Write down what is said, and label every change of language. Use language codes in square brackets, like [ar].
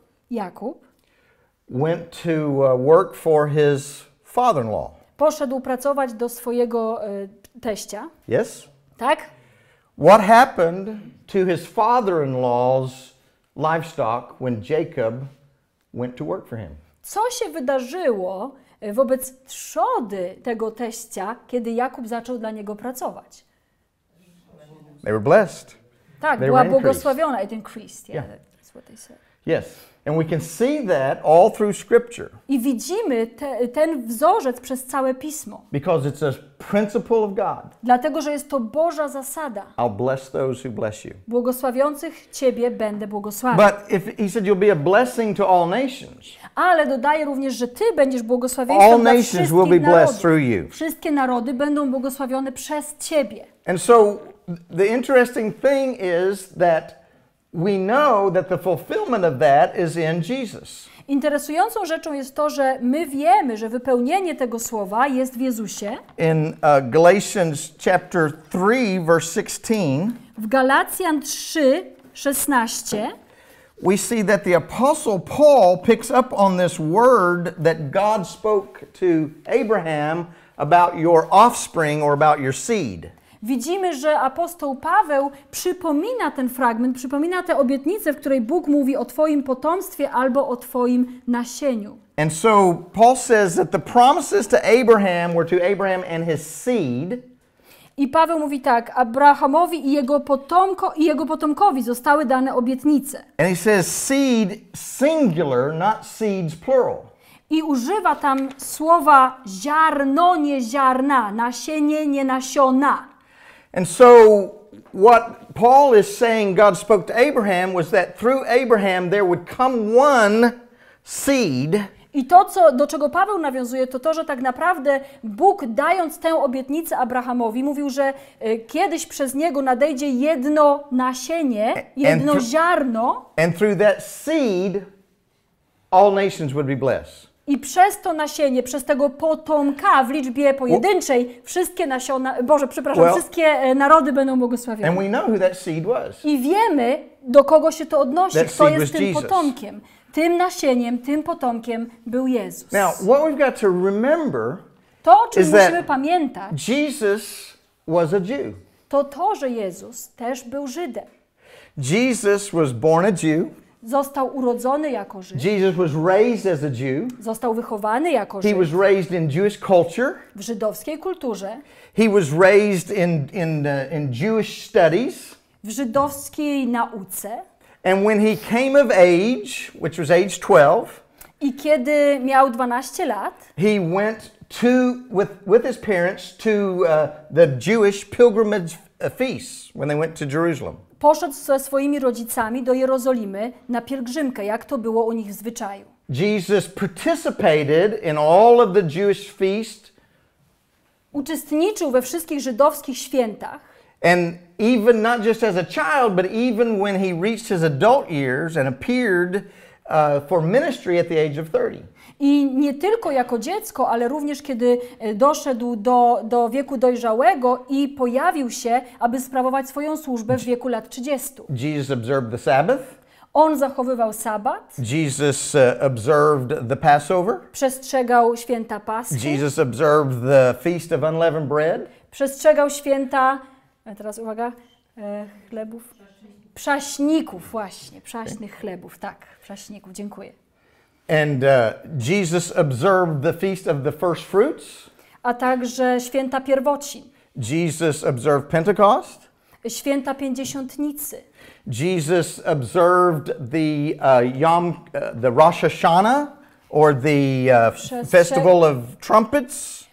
[en] Jakub went to work for his father-in-law. [pl] Poszedł pracować do swojego teścia. [en] Yes. [pl] Tak. [en] What happened to his father-in-law's livestock when Jacob went to work for him? [pl] Co się wydarzyło wobec trzody tego teścia, kiedy Jakub zaczął dla niego pracować? [en] They were blessed. [pl] Tak, [en] they [pl] była [en] were [pl] błogosławiona. [en] It increased. Yeah, yeah, that's what they said. Yes. And we can see that all through scripture. [pl] I widzimy ten wzorzec przez całe pismo. [en] Because it's a principle of God. [pl] Dlatego, że jest to Boża zasada. [en] I'll bless those who bless you. [pl] Błogosławiących ciebie będę błogosławił. [en] But if he said you'll be a blessing to all nations. [pl] Ale dodaje również, że ty będziesz błogosławieństwem dla wszystkich narodów. [en] All nations will be blessed through you. [pl] Wszystkie narody będą błogosławione przez ciebie. [en] And so the interesting thing is that we know that the fulfillment of that is in Jesus. [pl] Interesującą rzeczą jest to, że my wiemy, że wypełnienie tego słowa jest w Jezusie. [en] In Galatians chapter 3 verse 16. [pl] W Galacjan 3:16 [en] we see that the apostle Paul picks up on this word that God spoke to Abraham about your offspring or about your seed. [pl] Widzimy, że apostoł Paweł przypomina ten fragment, przypomina tę obietnicę, w której Bóg mówi o twoim potomstwie albo o twoim nasieniu. [en] And so Paul says that the promises to Abraham were to Abraham and his seed. [pl] I Paweł mówi tak, Abrahamowi i jego potomkowi zostały dane obietnice. [en] And he says seed singular, not seeds plural. [pl] I używa tam słowa ziarno, nie ziarna, nasienie, nie nasiona. [en] And so what Paul is saying God spoke to Abraham was that through Abraham there would come one seed. [pl] I to, co, do czego Paweł nawiązuje, to to, że tak naprawdę Bóg dając tę obietnicę Abrahamowi mówił, że kiedyś przez niego nadejdzie jedno nasienie, jedno ziarno. [en] And through that seed all nations would be blessed. [pl] I przez to nasienie, przez tego potomka w liczbie pojedynczej, wszystkie nasiona, Boże, przepraszam, wszystkie narody będą błogosławione. [en] And we know who that seed was. [pl] I wiemy, do kogo się to odnosi, [en] that [pl] kto jest tym potomkiem. Tym nasieniem, tym potomkiem był Jezus. [en] Now, what we've got to remember, [pl] to, o czym musimy pamiętać, [en] Jesus was a Jew. [pl] To, że Jezus też był Żydem. [en] Jesus was born a Jew. [pl] Został urodzony jako Żyd. [en] Jesus was raised as a Jew. [pl] Został wychowany jako Żyd. [en] He was raised in Jewish culture. [pl] W żydowskiej kulturze. [en] He was raised in Jewish studies. [pl] W żydowskiej nauce. [en] And when he came of age, which was age 12, [pl] i kiedy miał 12 lat, [en] he went to with his parents to the Jewish pilgrimage feast when they went to Jerusalem. [pl] Poszedł ze swoimi rodzicami do Jerozolimy na pielgrzymkę, jak to było u nich w zwyczaju. [en] Jesus participated in all of the Jewish feasts. [pl] Uczestniczył we wszystkich żydowskich świętach. [en] And even not just as a child, but even when he reached his adult years and appeared for ministry at the age of 30. [pl] I nie tylko jako dziecko, ale również kiedy doszedł do wieku dojrzałego i pojawił się, aby sprawować swoją służbę w wieku lat 30. [en] Jesus observed the Sabbath. [pl] On zachowywał sabat. [en] Jesus observed the Passover. [pl] Przestrzegał święta Paschy. [en] Jesus observed the Feast of Unleavened Bread. [pl] Przestrzegał święta, teraz uwaga, chlebów. Prześników, właśnie, prześnych chlebów, tak, prześników, dziękuję. [en] And Jesus observed the feast of the first fruits. [pl] A także święta pierwocin. [en] Jesus observed Pentecost. [pl] Święta pięćdziesiątnicy. [en] Jesus observed the the Rosh Hashanah or the festival of trumpets.